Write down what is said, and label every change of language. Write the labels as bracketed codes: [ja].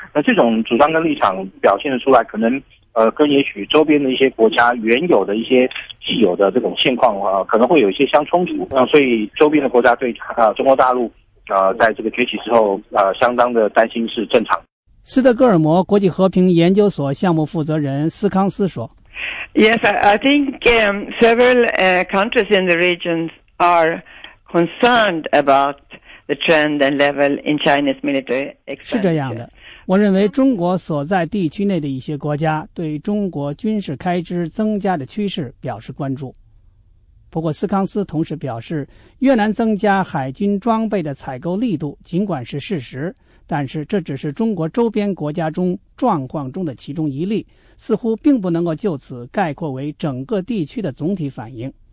[zh] 那这种主张跟立场表现的出来，可能跟也许周边的一些国家原有的一些既有的这种现况可能会有一些相冲突。所以周边的国家对中国大陆在这个崛起之后相当的担心是正常。斯德哥尔摩国际和平研究所项目负责人斯康斯说， [en] Yes, I think several countries in the region are concerned about the trend and level in Chinese military expenditure. [zh] 是这样的，我认为中国所在地区内的一些国家对中国军事开支增加的趋势表示关注。不过斯康斯同时表示，越南增加海军装备的采购力度尽管是事实，但是这只是中国周边国家中状况中的其中一例，似乎并不能够就此概括为整个地区的总体反应。